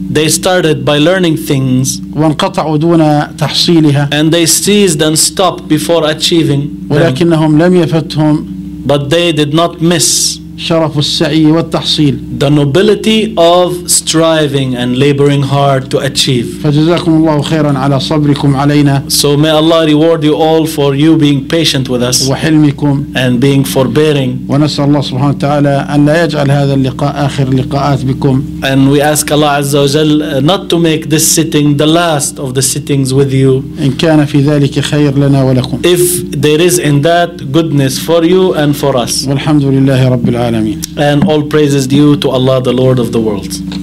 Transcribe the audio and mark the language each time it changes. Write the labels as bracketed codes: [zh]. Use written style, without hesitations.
[en] They started by learning things [ar] وانقطعوا دون تحصيلها. [en] And they ceased and stopped before achieving [ar] ولكنهم [en] them. [ar] لم يفتهم. [en] But they did not miss [ar] شرف السعي والتحصيل. [en] The nobility of striving and laboring hard to achieve. [ar] فجزاكم الله خيرا على صبركم علينا. [en] So may Allah reward you all for you being patient with us. [ar] وحلمكم. [en] And being forbearing. [ar] ونسأل الله سبحانه وتعالى أن لا يجعل هذا اللقاء آخر لقاءات بكم. [en] And we ask Allah Azza wa Jal not to make this sitting the last of the sittings with you. [ar] إن كان في ذلك خير لنا ولكم. [en] If there is in that goodness for you and for us. [ar] والحمد لله رب العالمين. [en] And all praises due to Allah, the Lord of the world.